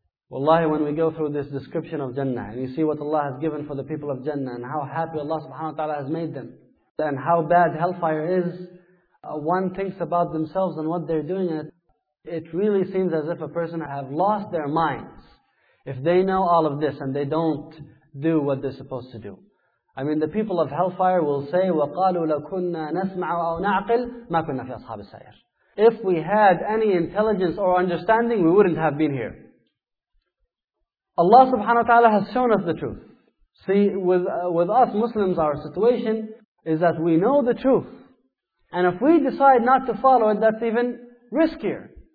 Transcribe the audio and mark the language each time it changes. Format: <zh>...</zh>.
<en>Wallahi, when we go through this description of Jannah, and you see what Allah has given for the people of Jannah, and how happy Allah subhanahu wa ta'ala has made them, and how bad hellfire is, one thinks about themselves and what they're doing, and it really seems as if a person have lost their minds if they know all of this and they don't do what they're supposed to do. I mean, the people of hellfire will say,</en> <ar>وَقَالُوا لَكُنَّا نَسْمَعُ أَوْ نَعْقِلْ مَا كُنَّا فِي أَصْحَابِ السَّيْرِ.</ar> <en>If we had any intelligence or understanding, we wouldn't have been here. Allah subhanahu wa ta'ala has shown us the truth. See, with us Muslims, our situation is that we know the truth. And if we decide not to follow it, that's even riskier.</en>